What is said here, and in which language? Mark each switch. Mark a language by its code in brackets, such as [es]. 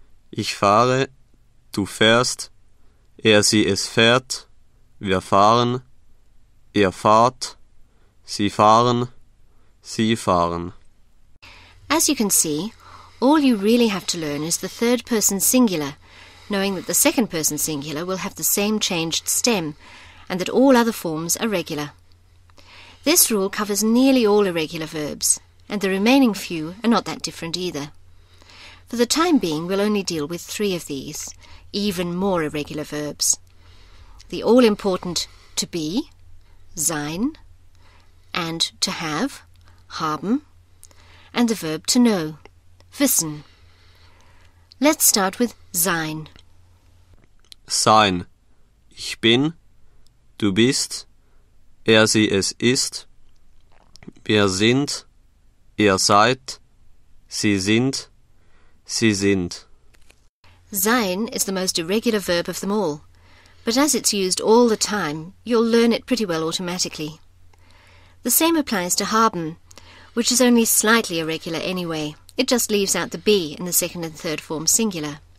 [de] Ich fahre, du fährst, sie es fährt, wir fahren, fahrt, sie fahren, sie fahren. [en] As you can see, all you really have to learn is the third person singular, knowing that the second person singular will have the same changed stem, and that all other forms are regular. This rule covers nearly all irregular verbs, and the remaining few are not that different either. For the time being, we'll only deal with three of these, even more irregular verbs. The all-important to be, sein, and to have, haben, and the verb to know, wissen. Let's start with sein. [de] Sein. Ich bin, du bist, sie es ist, wir sind, seid, sie sind. Sie sind. [en] Sein is the most irregular verb of them all, but as it's used all the time, you'll learn it pretty well automatically. The same applies to haben, which is only slightly irregular anyway. It just leaves out the B in the second and third form singular.